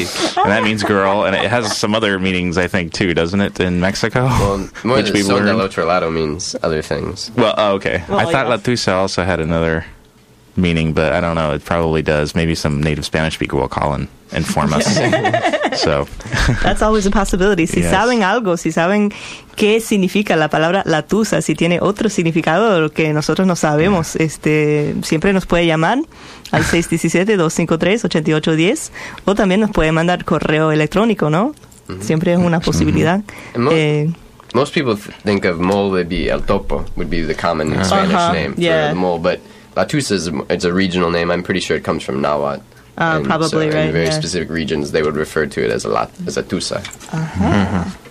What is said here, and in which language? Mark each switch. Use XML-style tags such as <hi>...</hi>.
<en>And that means girl, and it has some other meanings, I think, too, doesn't it, in Mexico? Well, more than Son del Otro Lado means other things. Well, okay. Well, I thought Latusa also had another meaning, but I don't know. It probably does. Maybe some native Spanish speaker will call and inform us. So that's always a possibility. Si yes.</en> <es>saben algo, si saben qué significa la palabra latusa, si tiene otro significado que nosotros no sabemos, yeah. Siempre nos puede llamar al 617-253-8810 o también nos puede mandar correo electrónico, ¿no? Mm-hmm. Siempre es una posibilidad. Mm-hmm.</es> <en>Most people think of mole would be el topo, would be the common Spanish name for the mole, but Latusa is a regional name. I'm pretty sure it comes from Nahuatl. Probably, so right. In very specific regions, they would refer to it as a Tusa. Uh-huh.</en>